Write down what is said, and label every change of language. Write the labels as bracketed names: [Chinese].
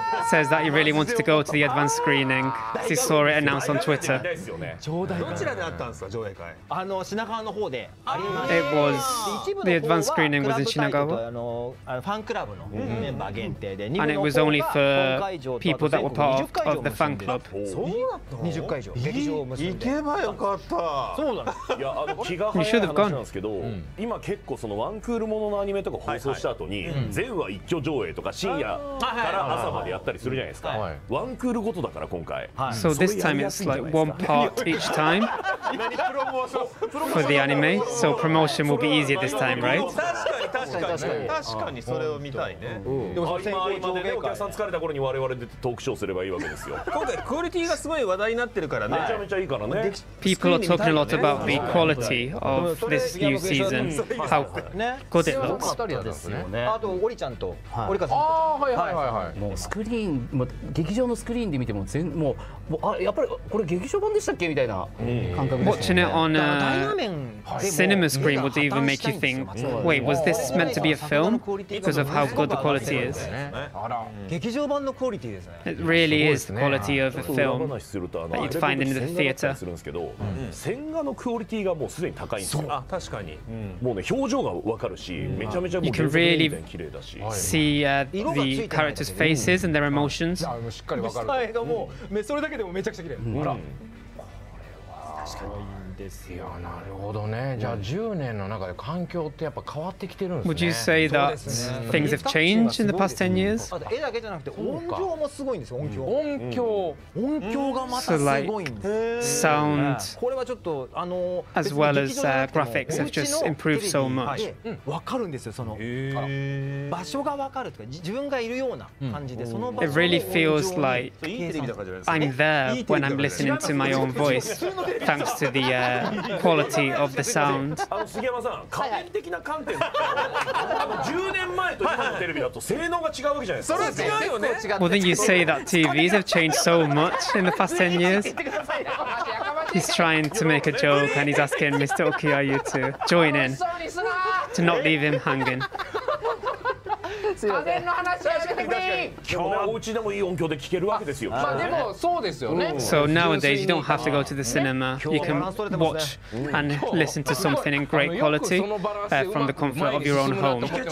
[English] Says that he really wanted to go to the advanced screening. He saw it announced on Twitter. [Japanese] どちらであったんですか上映会？あの品川の方で。 [English] It was the advanced screening was in Shinagawa. [Japanese] ファンクラブのメンバー限定で、 [English] and it was only for people that were part of the fan club. [Japanese] そうだったの？20 会場。行けばよかった。そうだね。いや、あの気が早い話なんですけど、今結構そのワンクールもののアニメとか放送した後に、全話一挙上映とか深夜から朝までやったりするじゃないですか。ワンクールごとだから今回。 [English] So this time it's like one part each time for the anime. So promotion will be easier this time, right? [Japanese] 確かにそれを見たいね。でも先行上映会。お客さん疲れた頃に我々でトークショーすればいいわけですよ。今回クオリティがすごい話題になってるからね。めちゃめちゃいいからね。 [English] People are talking a lot about the quality of this new season. How good it looks. [Japanese] あとオリちゃんとオリカさん。ああはいはいはいはい。もうスクリーン、劇場のスクリーンで見ても全もうあやっぱりこれ劇場版でしたっけみたいな感覚ですね。 Watching it on a cinema screen would even make you think, wait, was this meant to be a film because of how good the quality is? 劇場版のクオリティですね。 It really is the quality of a film that you'd find in the theater. 線画のクオリティがもうすでに高いんですよ。確かに。もうね表情がわかるし、めちゃめちゃもう全然綺麗だし。 [English] See the characters' faces and their emotions。 [Japanese] しっかりわかる。映画もうそれだけでもめちゃくちゃ綺麗。ほら。確かに。いやなるほどね。じゃあ10年の中で環境ってやっぱ変わってきてるんですね。 [English] Would you say that things have changed in the past 10 years? [Japanese] 絵だけじゃなくて音響もすごいんですよ。音響がまたすごいんです。 [English] Sound [Japanese] これはちょっとあの [English] as well as graphics have just improved so much。 [Japanese] わかるんですよ、その場所がわかるとか自分がいるような感じで、その場所 [English] が It really feels like I'm there when I'm listening to my own voice thanks to the quality of the sound. [Japanese] 杉山さん、家電的な観点で10年前と今のテレビだと性能が違うわけじゃないですか。それは違うよね。 [English] Well, then you say that TVs have changed so much in the past 10 years. He's trying to make a joke and he's asking Mr. Okiayu to join in, to not leave him hanging. [Japanese] 家電の話はしなくていい。今日はお家でもいい音響で聞けるわけですよ。まあでもそうですよね。 [English] So nowadays you don't have to go to the cinema. You can watch and listen to something in great quality from the comfort of your own home.